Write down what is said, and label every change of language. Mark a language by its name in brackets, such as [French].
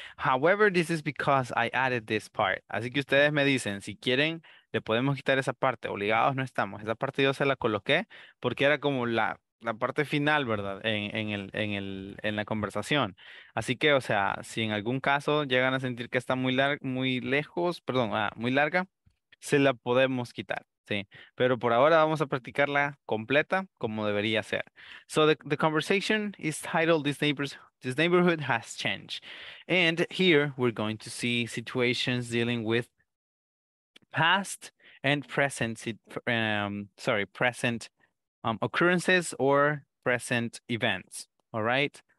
[English] However, this is because I added this part. [Spanish] Así que ustedes me dicen, si quieren, le podemos quitar esa parte. Obligados no estamos. Esa parte yo se la coloqué porque era como la parte final, ¿verdad? En la conversación. Así que, o sea, si en algún caso llegan a sentir que está muy larga, se la podemos quitar, ¿sí? Pero por ahora vamos a practicarla completa como debería ser. [English] So the conversation is titled This Neighborhood Has Changed. And here we're going to see situations dealing with past and present, occurrences or present events, all right?